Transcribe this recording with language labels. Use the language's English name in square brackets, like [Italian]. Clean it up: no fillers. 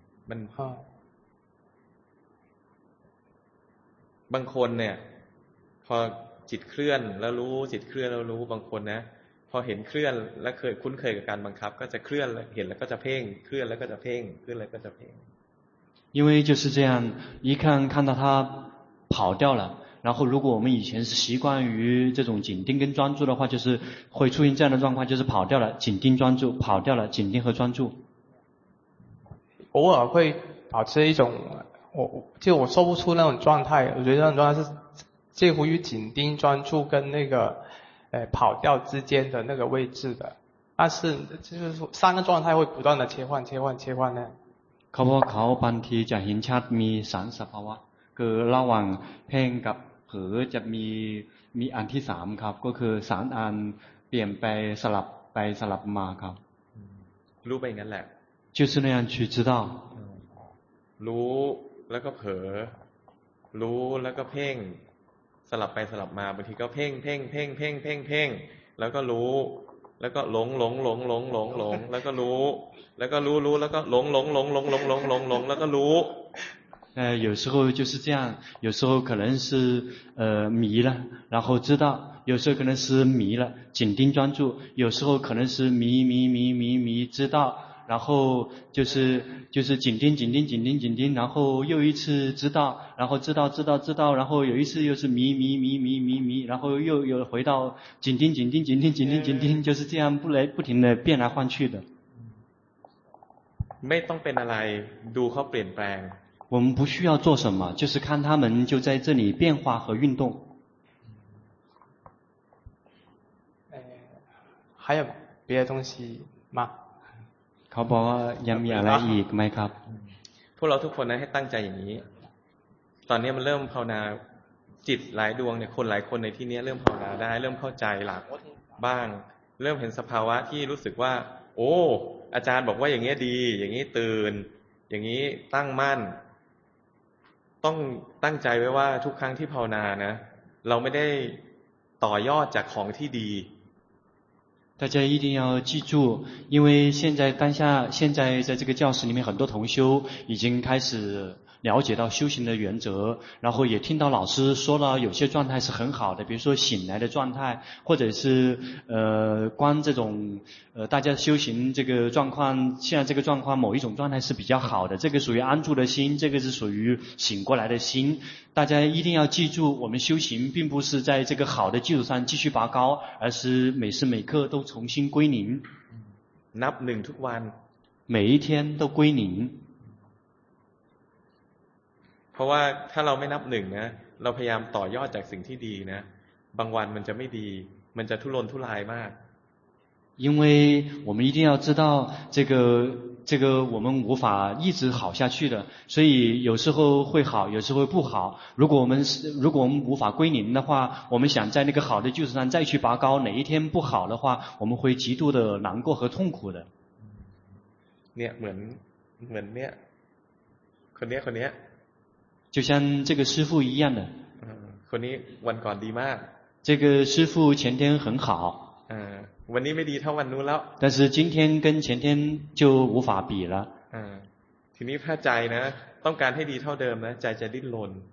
[Thai] มันบางคนเนี่ยพอจิตเคลื่อนแล้วรู้จิตเคลื่อนแล้วรู้บางคนนะพอเห็นเคลื่อนและเคยคุ้นเคยกับการบังคับก็จะเคลื่อนเห็นแล้วก็จะเพ่งเคลื่อนแล้วก็จะเพ่งเคลื่อนแล้วก็จะเพ่ง [Chinese] 因为就是这样一看到他跑掉了然后如果我们以前是习惯于这种紧盯跟专注的话就是会出现这样的状况就是跑掉了紧盯专注跑掉了紧盯和专注偶尔会保持一种我说不出那种状态我觉得那种状态是介乎于紧盯专注跟那个跑掉之间的那个位置的但是就是说三个状态会不断的切换呢 [Thai] เขาบางทีจะเห็นชัดมีสามสภาวะคือระหว่างเพ่งกับเผลอจะมีอันที่สามครับก็คือสามอันเปลี่ยนไปสลับไปสลับมาครับ รู้ไปงั้นแหละ [Chinese] 就是那样去知道 [Thai] รู้แล้วก็เผลอรู้แล้วก็เพ่งสลับไปสลับมาบางทีก็เพ่งเพ่งเพ่งเพ่งเพ่งเพ่งแล้วก็รู้แล้วก็หลงแล้วก็รู้แล้วก็รู้แล้วก็หลงแล้วก็รู้ [Chinese] 有时候就是这样有时候可能是迷了然后知道有时候可能是迷了紧盯专注有时候可能是迷知道然后就是紧盯，然后又一次知道，然后知道，然后有一次又是迷，然后又回到紧盯，就是这样不停的变来换去的。 [Thai] ไม่ต้องเป็นอะไรดูเขาเปลี่ยนแปลง [Chinese] 我们不需要做什么，就是看他们就在这里变化和运动。还有别的东西吗？ [Thai] เขาบอกว่ายังมีอะไรอีกไหมครับ พวกเราทุกคนนะให้ตั้งใจอย่างนี้ตอนนี้มันเริ่มภาวนาจิตหลายดวงเนี่ยคนหลายคนในที่นี้เริ่มภาวนาได้เริ่มเข้าใจหลักบ้างเริ่มเห็นสภาวะที่รู้สึกว่าโอ้อาจารย์บอกว่าอย่างนี้ดีอย่างนี้ตื่นอย่างนี้ตั้งมั่นต้องตั้งใจไว้ว่าทุกครั้งที่ภาวนานะเราไม่ได้ต่อยอดจากของที่ดี [Chinese] 大家一定要记住因为现在当下现在在这个教室里面很多同修已经开始了解到修行的原则，然后也听到老师说了有些状态是很好的，比如说醒来的状态，或者是观这种大家修行这个状况，现在这个状况某一种状态是比较好的，这个属于安住的心，这个是属于醒过来的心。大家一定要记住，我们修行并不是在这个好的基础上继续拔高，而是每时每刻都重新归零。 [Thai] นับหนึ่งทุกวัน [Chinese] 每一天都归零。 [Thai] เพราะว่าถ้าเราไม่นับหนึ่งนะเราพยายามต่อยอดจากสิ่งที่ดีนะบางวันมันจะไม่ดีมันจะทุรนทุรายมาก [Chinese] 因为我们一定要知道这个我们无法一直好下去的，所以有时候会好，有时候不好。如果我们无法归零的话，我们想在那个好的基础上再去拔高，哪一天不好的话，我们会极度的难过和痛苦的。 [Thai] เนี่ยเหมือนเนี่ยคนนี้ [Chinese] 就像这个师父一样的。 [Thai] คนนี้วันก่อนดีมาก [Chinese] 这个师父前天很好。 [Thai] วันนี้ไม่ดีเท่าวันนู้นแล้ว [Chinese] 但是今天跟前天就无法比了 [Thai] ทีนี้ถ้าใจนะต้องการให้ดีเท่าเดิมนะใจจะดิ้นรน